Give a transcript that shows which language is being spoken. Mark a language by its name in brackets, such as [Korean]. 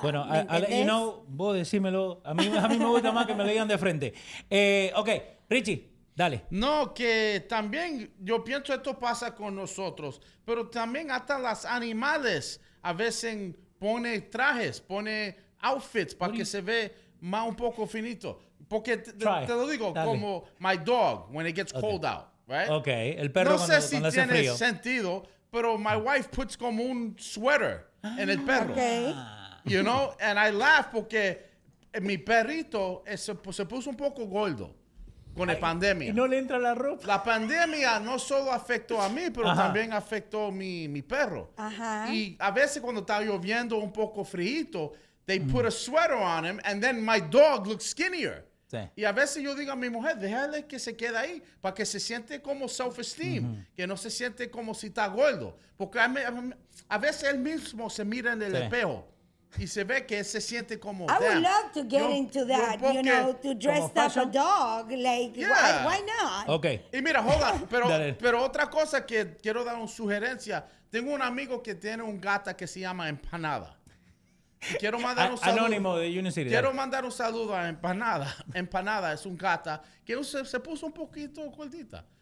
[Spanish] Bueno, Ale, [English] you know, [Spanish] vos decímelo, a mí me gusta más que me lo digan de frente. Ok, Richie. Dale. No, que también yo pienso esto pasa con nosotros, pero también hasta las animales a veces pone trajes, pone outfits para que se ve más un poco finito. Porque te lo digo, dale. Como [English] my dog when it gets cold out, right? [Spanish] Okay, el perro no cuando sé si cuando tiene frío. Sentido, pero [English] my wife puts [Spanish] como un sweater en el perro. [English] Okay. You know, and I laugh [Spanish] porque mi perrito se puso un poco gordo. Con la pandemia. ¿Y no le entra la ropa? La pandemia no solo afectó a mí, pero ajá. También afectó a mi perro. Ajá. Y a veces cuando está lloviendo un poco frío, [English] they put a sweater on him, and then my dog looks skinnier. [Spanish] Sí. Y a veces yo digo a mi mujer, déjale que se quede ahí, para que se siente como self-esteem, que no se siente como si está gordo. Porque a veces él mismo se mira en el espejo. Y se ve que se siente como... [English] I would love to get into that, you know, to dress up a dog. Like, why not? Okay. [Spanish] Y mira, joda, pero otra cosa que quiero dar una sugerencia. Tengo un amigo que tiene un gata que se llama Empanada. Y quiero mandar un saludo. Anónimo de Union City. Quiero mandar un saludo a Empanada. Empanada es un gata que se puso un poquito gordita.